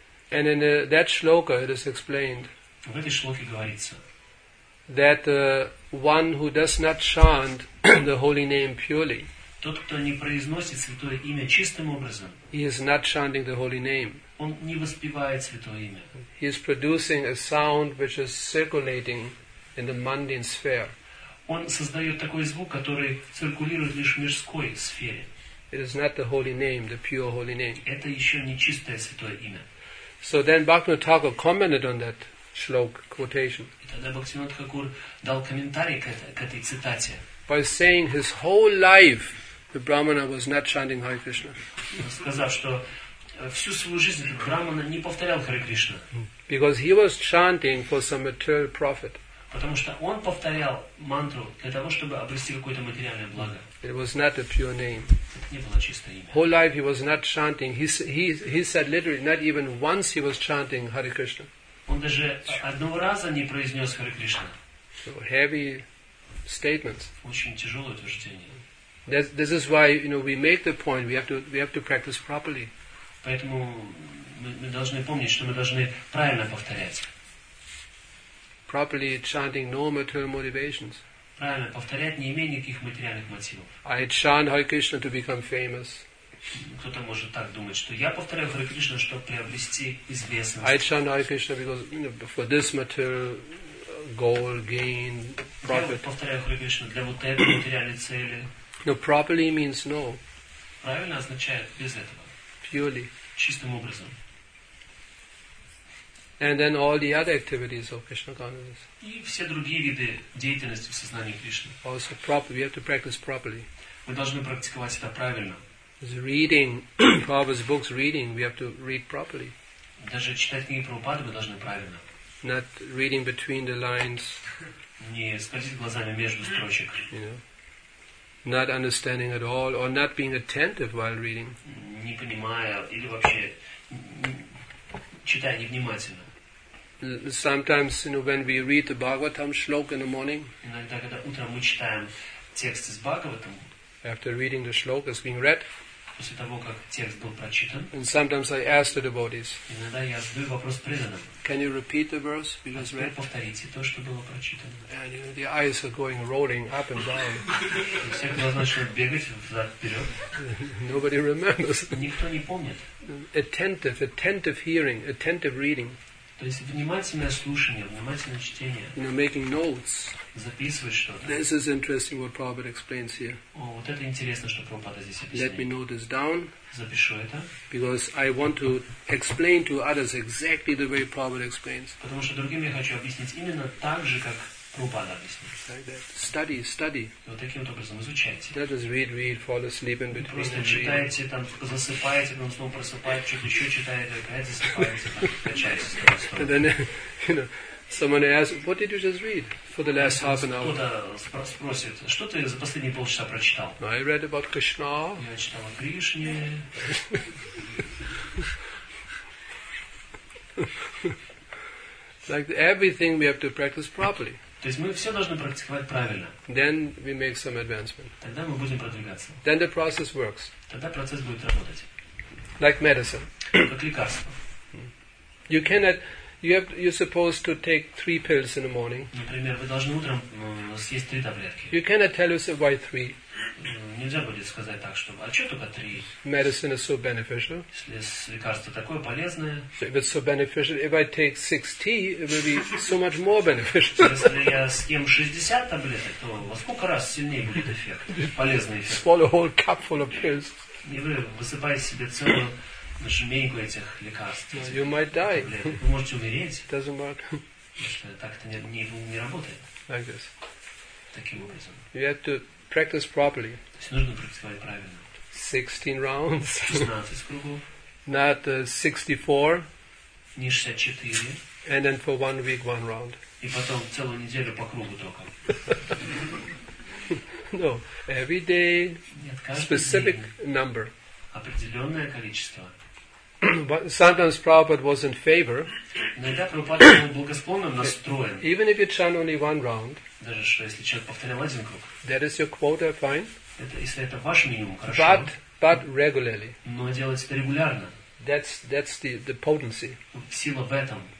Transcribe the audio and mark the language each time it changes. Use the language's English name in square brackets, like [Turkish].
[English] And in that shloka it is explained that one who does not chant the holy name purely, [Russian] тот, кто не произносит святое имя чистым образом, [English] he is not chanting the holy name. [Russian] Он не воспевает святое имя. [English] He is producing a sound which is circulating in the mundane sphere. [Russian] Он создает такой звук, который циркулирует лишь в мирской сфере. [English] It is not the holy name, the pure holy name. [Russian] Это еще не чистое святое имя. [English] So then Bhaktivinoda Thakur commented on that shloka quotation. [Russian] И тогда Бхактивинода Тхакур дал комментарий к этой цитате. [English] By saying his whole life, the Brahmana was not chanting Hare Krishna. [Russian] Сказав, что всю свою жизнь этот Брахмана не повторял Харе Кришна. [English] Because he was chanting for some material profit. [Russian] Потому что он повторял мантру для того, чтобы обрести какое-то материальное благо. [English] It was not a pure name. [Russian] Это не было чистое имя. [English] Whole life he was not chanting. He said literally, not even once he was chanting Hare Krishna. [Russian] Он даже одного раза не произнес Харе Кришна. [English] So heavy statements. [Russian] Очень тяжелое утверждение. [English] This is why, you know, we make the point we have to practice properly. [Russian] Поэтому мы должны помнить, что мы должны правильно повторять. [English] Properly chanting no material motivations. [Russian] Правильно повторять, не имея никаких материальных мотивов. [English] I chant Hare Krishna to become famous. [Russian] Кто-то может так думать, что я повторяю Hare Krishna, чтобы приобрести известность. [English] I chant Hare Krishna because, you know, for this material goal, gain, profit. [Russian] Я повторяю Hare Krishna для вот этой материальной цели. [English] No, properly means no. [Russian] Правильно означает без этого. [English] Purely. [Russian] Чистым образом. [English] And then all the other activities of Krishna consciousness. [Russian] И все другие виды деятельности в сознании Кришны. [English] Also, we have to practice properly. [Russian] Мы должны практиковать это правильно. [English] is reading Prabhupada's books, reading, we have to read properly. [Russian] Даже читать книги Прабхупады мы должны правильно. [English] Not reading between the lines. [Russian] Не скользить глазами между строчек. [English] You know, not understanding at all, or not being attentive while reading. [Russian] Не понимая или вообще читая невнимательно. [English] Sometimes, you know, when we read the Bhagavatam shloka in the morning. [Russian] Иногда когда утром мы читаем текст из Бхагаватам. [English] After reading the shloka is being read. [Russian] После того, как текст был прочитан. [English] And sometimes I ask the devotees. [Russian] Иногда я задаю вопрос преданным. [English] Can you repeat the verse? Because read. [Russian] Повторите то, что было прочитано. [English] And you know, the eyes are going rolling up and down. [Russian] Все глаза начали бегать взад-вперед. [English] Nobody remembers. [Russian] Никто не помнит. [English] Attentive hearing, attentive reading. [Russian] То есть внимательное слушание, внимательное чтение. [English] You know, making notes. [Russian] Записывать что-то. [English] This is interesting what Prabhupada explains here. [Russian] О, вот это интересно, что Прабхупада здесь объясняет. [English] Let me note this down. [Russian] Запишу это. [English] Because I want to explain to others exactly the way Prabhupada explains. [Russian] Потому что другим я хочу объяснить именно так же, как Прабхупада объясняет. [English] Like that. Study. [Russian] Вот таким вот образом изучайте. [English] Not just read, fall asleep in between. [Russian] Просто читаете, там засыпаете, потом снова просыпаете, что-то еще читаете, опять засыпаете, качаетесь. [English] And then, you know, someone asks, what did you just read for the last half an hour? [Russian] Кто-то спросит, что ты за последние полчаса прочитал? [English] I read about Krishna. [Russian] Я читал о Кришне. [English] Like everything, we have to practice properly. [Russian] То есть мы все должны практиковать правильно. [English] Then we make some advancement. [Russian] Тогда мы будем продвигаться. [English] Then the process works. [Russian] Тогда процесс будет работать. [English] Like medicine. [Russian] Как лекарство. [English] You cannot. You're supposed to take 3 pills in the morning. [Russian] Например, вы должны утром съесть 3 таблетки. [English] You cannot tell yourself why 3. [Russian] Нельзя будет сказать так, что а что только 3? [English] Medicine is so beneficial. [Russian] Если лекарство такое полезное. [English] So if it's so beneficial, if I take 6 tea, it will be so much more beneficial. [Russian] Если я съем 60 таблеток, то во сколько раз сильнее будет эффект? Полезный эффект. [English] Swallow a whole cup full of pills. [Russian] И вы высыпаете себе целую жменьку этих лекарств. [English] You might die. [Russian] Вы можете умереть. [English] It doesn't work. [Russian] Так это не работает. [English] Like this. [Russian] Таким образом. [English] You have to practice properly. [Russian] То есть нужно практиковать правильно. [English] 16 rounds. [Russian] 16 кругов. [English] Not 64. [Russian] Не 64. [English] And then for 1 week, 1 round. [Russian] И потом целую неделю по кругу только. [English] No. Every day. [Russian] Нет, каждый день. [English] Specific number. [Russian] Определенное количество. [English] But sometimes Prabhupada was in favor. [Russian] Иногда Прабхупада был благосклонным настроен. [English] Even if you chant only 1 round. [Russian] Даже что если человек повторял 1 круг. [English] That is your quota, fine. [Russian] Это если это ваш минимум, хорошо. [English] But regularly. [Russian] Но делать это регулярно. [English] That's the potency. [Russian] Сила в этом.